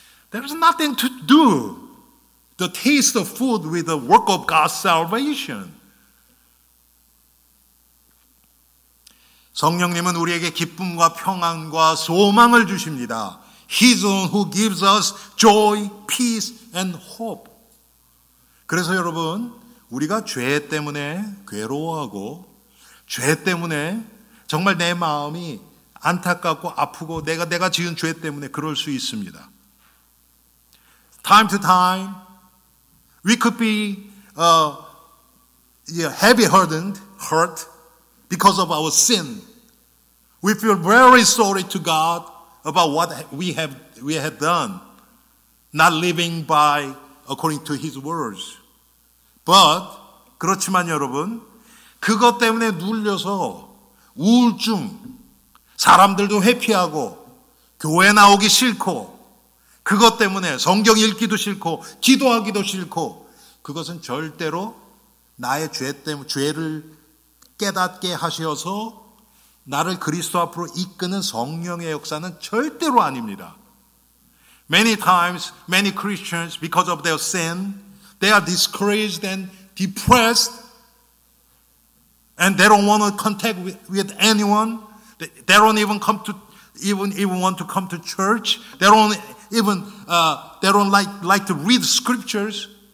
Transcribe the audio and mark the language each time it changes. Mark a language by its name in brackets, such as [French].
[English] There is nothing to do the taste of food with the work of God's salvation. [Korean] 성령님은 우리에게 기쁨과 평안과 소망을 주십니다. [English] He's the one who gives us joy, peace, and hope. [Korean] 그래서 여러분, 우리가 죄 때문에 괴로워하고 죄 때문에 정말 내 마음이 안타깝고 아프고 내가 지은 죄 때문에 그럴 수 있습니다. [English] Time to time, we could be heavy hurt because of our sin. We feel very sorry to God about what we have done, not living by according to His words. [Korean] But 그렇지만 여러분, 그것 때문에 눌려서 우울증, 사람들도 회피하고 교회 나오기 싫고. 그것 때문에 성경 읽기도 싫고 기도하기도 싫고 그것은 절대로 나의 죄 때문에 죄를 깨닫게 하셔서 나를 그리스도 앞으로 이끄는 성령의 역사는 절대로 아닙니다. [English] Many times, many Christians, because of their sin, they are discouraged and depressed, and they don't want to contact with anyone. They don't even come to even want to come to church. They don't like to read scriptures.